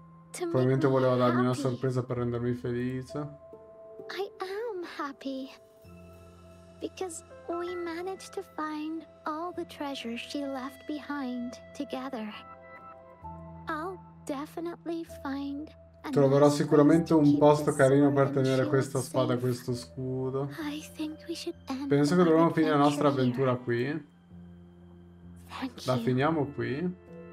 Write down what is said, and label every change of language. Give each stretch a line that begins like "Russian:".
Italian: Probabilmente voleva darmi una sorpresa per rendermi felice.
English: I am happy because we managed to find all the treasure she left behind together. I'll definitely find.
Italian: Troverò sicuramente un posto carino per tenere questa spada e questo scudo. Penso che dovremmo finire la nostra avventura qui. La finiamo qui.